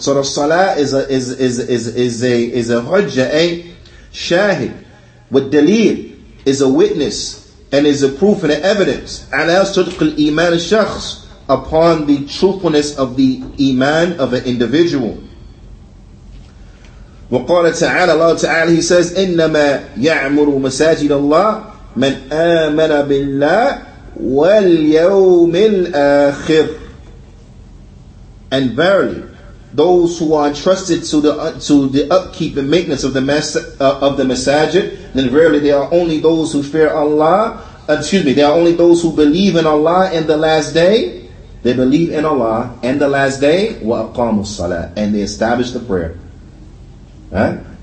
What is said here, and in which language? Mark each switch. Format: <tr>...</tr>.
<en>So the salah is a hujjah, a shahid, with dalil. is a witness and is a proof and an evidence</en> <ar>ala sidq al-iman al-shakhs,</ar> <en>upon the truthfulness of the iman of an individual.</en> <ar>وقال تعالى الله تعالى</ar> <en>he says</en> <ar>إنما يعمر مساجد الله من آمن بالله واليوم الآخر.</ar> <en>And verily, those who are entrusted to the upkeep and maintenance of the masajid, then verily they are only those who fear Allah. They are only those who believe in Allah and the last day. They believe in Allah and the last day.</en> <ar>Wa aqamu salat,</ar> <en>and they establish the prayer. Huh?</en>